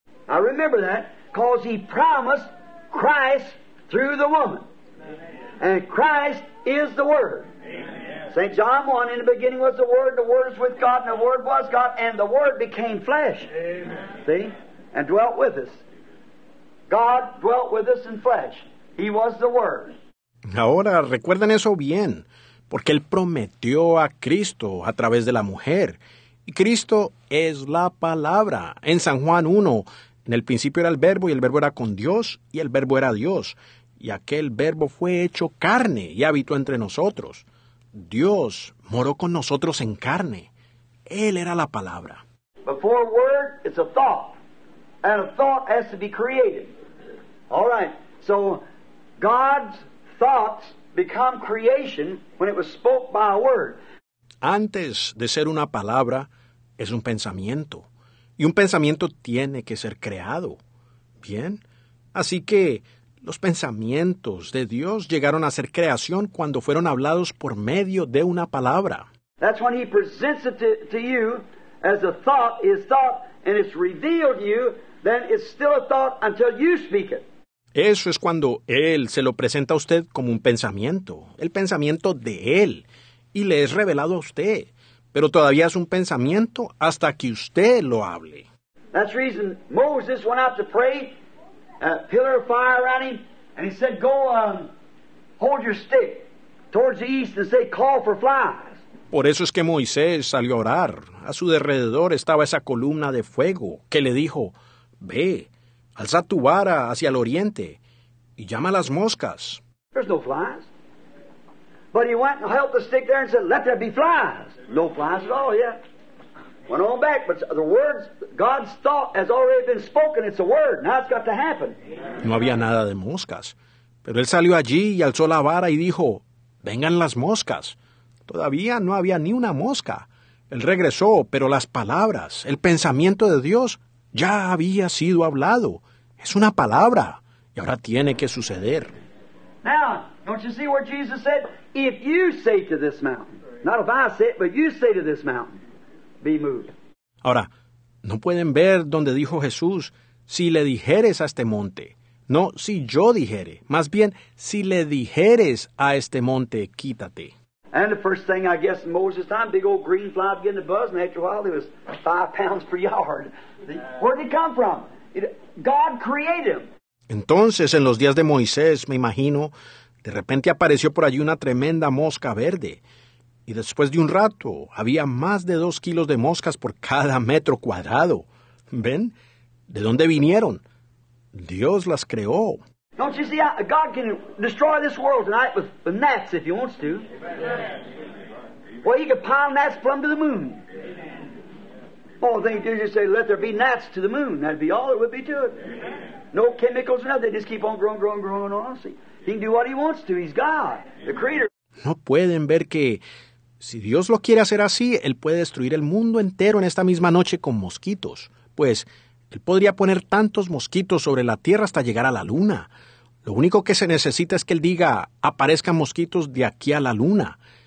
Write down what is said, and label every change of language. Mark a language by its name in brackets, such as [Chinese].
[English] I remember that, because he promised Christ through the woman. And Christ is the Word. St. John 1, in the beginning was the Word was with God, and the Word was God, and the Word became flesh. Amen. See? And dwelt with us. God dwelt with us in flesh. He was the Word. [Spanish] Ahora, recuerden eso bien, porque Él prometió a Cristo a través de la mujer. Y Cristo es la palabra. En San Juan 1, en el principio era el Verbo, y el Verbo era con Dios, y el Verbo era Dios. Y aquel Verbo fue hecho carne y habitó entre nosotros. Dios moró con nosotros en carne. Él era la palabra. [English] Before word, it's a thought. And a thought has to be created. All right. So God's thoughts become creation when it was spoke by a word. [Spanish] Antes de ser una palabra, es un pensamiento. Y un pensamiento tiene que ser creado. Bien. Así que los pensamientos de Dios llegaron a ser creación cuando fueron hablados por medio de una palabra. [English] That's when he presents it to you as a thought, his thought, and it's revealed to you. Then it's still a thought until you speak it. [Spanish] Eso es cuando Él se lo presenta a usted como un pensamiento, el pensamiento de Él, y le es revelado a usted. Pero todavía es un pensamiento hasta que usted lo hable. [English] That's the reason Moses went out to pray, a pillar of fire around him, and he said, go hold your stick towards the east and say, call for flies. [Spanish] Por eso es que Moisés salió a orar. A su derredor estaba esa columna de fuego que le dijo, ve, alza tu vara hacia el oriente y llama a las moscas. [English] There's no flies. But he went and held the stick there and said, let there be flies. No flies at all, yeah. Went on back, but the words, God's thought has already been spoken. It's a word. Now it's got to happen. [Spanish] No había nada de moscas. Pero él salió allí y alzó la vara y dijo, vengan las moscas. Todavía no había ni una mosca. Él regresó, pero las palabras, el pensamiento de Dios ya había sido hablado. Es una palabra. Y ahora tiene que suceder. [English] Now, don't you see what Jesus said? If you say to this mountain, not if I say it, but you say to this mountain, be moved. [Spanish] Ahora, no pueden ver donde dijo Jesús, si le dijeres a este monte. No, si yo dijere. Más bien, si le dijeres a este monte, quítate. [English] And the first thing, I guess, in Moses' time, big old green fly began to buzz, and after a while, it was 5 pounds per yard. Where'd it come from? God created him. [Spanish] Entonces, en los días de Moisés, me imagino, de repente apareció por allí una tremenda mosca verde. Y después de un rato, había más de 2 kilos de moscas por cada metro cuadrado. ¿Ven? ¿De dónde vinieron? Dios las creó. [English] Don't you see, God can destroy this world tonight with gnats if he wants to. Well, he could pile gnats plumb to the moon. All they do is just say, let there be gnats to the moon. That'd be all there would be to it. No chemicals or nothing. They just keep on growing, growing, growing on. See, he can do what he wants to. He's God, the creator. [Spanish] No pueden ver que si Dios lo quiere hacer así, él puede destruir el mundo entero en esta misma noche con mosquitos. Pues él podría poner tantos mosquitos sobre la tierra hasta llegar a la luna. Lo único que se necesita es que él diga, aparezcan mosquitos de aquí a la luna.